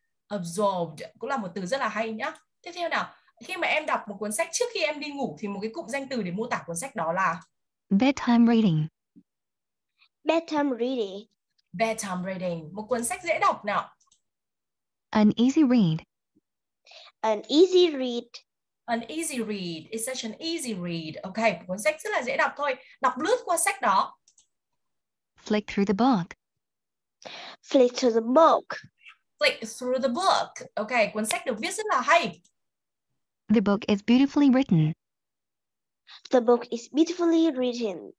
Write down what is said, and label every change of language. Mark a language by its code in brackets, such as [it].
[vi] Absorbed cũng là một từ rất là hay nhá. Tiếp theo nào, khi mà em đọc một cuốn sách trước khi em đi ngủ thì một cái cụm danh từ để mô tả cuốn sách đó là [en] bedtime reading. Bedtime reading. Bedtime reading, [vi] một cuốn sách dễ đọc nào. [en] An easy read. An easy read. An easy read, it's such an easy read. [vi] Okay, cuốn sách rất là dễ đọc thôi, đọc lướt qua sách đó. [en] Flick through the book. Flick through the book. Flick through the book. [vi] Okay, cuốn sách được viết rất là hay. [en] The book is beautifully written. The book is beautifully written.